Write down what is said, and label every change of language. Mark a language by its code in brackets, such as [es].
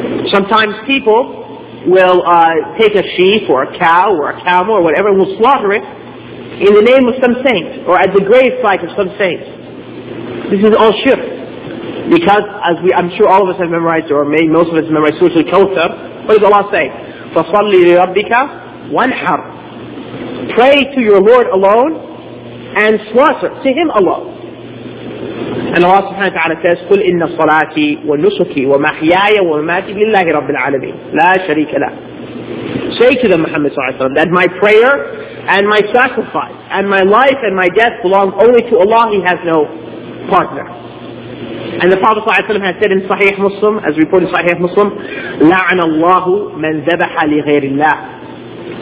[en] Sometimes people will take a sheep or a cow or a camel or whatever and will slaughter it in the name of some saint or at the grave site of some saint. This is all shirk. Because I'm sure all of us have memorized, or maybe most of us have memorized Surah Al-Kawthar, what does Allah say? [ar] فَصَلِّ لِرَبِّكَ وَانْحَرْ. [en] Pray to your Lord alone and slaughter to Him alone. And Allah subhanahu wa ta'ala says, [ar] قُلْ إِنَّ صَلَاتِي وَنُسُكِي وَمَحْيَايَ وَمَمَاتِي لِلَّهِ رَبِّ الْعَالَمِينَ لَا شَرِيكَ لَهُ. [en] Say to them, Muhammad sallallahu alayhi wa sallam, that my prayer and my sacrifice and my life and my death belong only to Allah. He has no partner. And the Prophet صلى الله عليه وسلم has said in Sahih Muslim, as reported in Sahih Muslim, [ar] لعن الله من ذبح لغير الله.